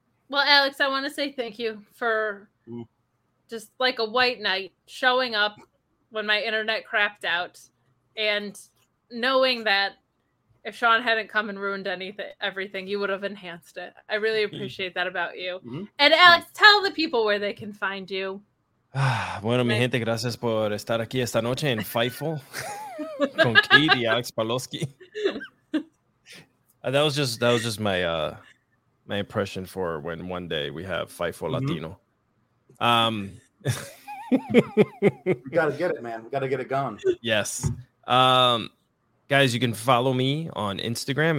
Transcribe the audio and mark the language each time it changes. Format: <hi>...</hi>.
<en>Well, Alex, I want to say thank you for just like a white knight showing up when my internet crapped out and knowing that if Sean hadn't come and ruined everything, you would have enhanced it. I really appreciate that about you. Mm-hmm. And Alex, tell the people where they can find you.</en> <es>Bueno, mi gente, gracias por estar aquí esta noche en Fightful con Katie, Alex Paloski.</es> <en>That was just my impression for when one day we have Fightful Latino. We gotta get it, man. We gotta get it gone. Yes. Guys, you can follow me on Instagram.</en>